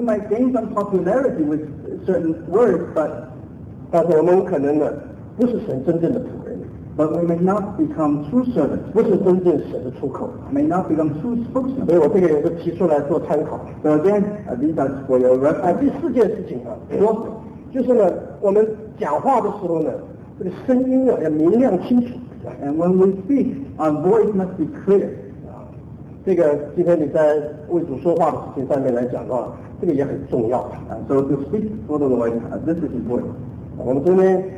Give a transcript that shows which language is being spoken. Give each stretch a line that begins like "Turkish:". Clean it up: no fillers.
English: might gain some popularity with certain words, but
Chinese: 但是我们可能呢，不是神真正的仆人。
English: But we may not become true servants.
Chinese: 不是真正神的出口。
English: May not become true spokesman.
Chinese: 所以我这个也是提出来做参考。
English: So again, these are for your reference.
Chinese: 第四件事情啊，就是呢，我们讲话的时候呢，这个声音要明亮清楚。
English: And when we speak, our voice must be clear.
Chinese: 这个今天你在为主说话的事情上面来讲到，这个也很重要。
English: So to speak for the Lord, this is important.